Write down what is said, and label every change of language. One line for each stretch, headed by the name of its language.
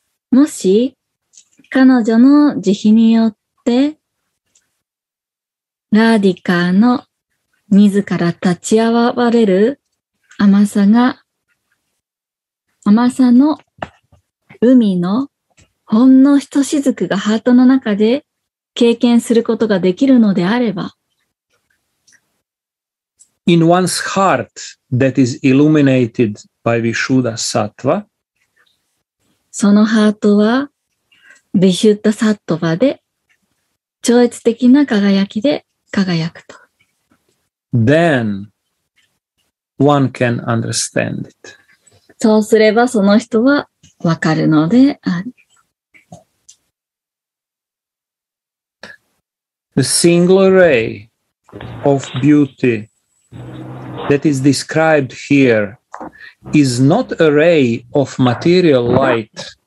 Japanese: もし彼女の慈悲によってラーディカーの自ら立ち現れる甘さが甘さの海のほんのひとしずくがハートの中で経験することができるのであれば
English: In one's heart that is illuminated by Vishuddha Sattva
Japanese: そのハートはビシュッダサットバで超越的な輝きで輝くと。
English: Then one can understand it.
Japanese: そうすればその人はわかるのである。
English: The single ray of beauty that is described here is not a ray of material light.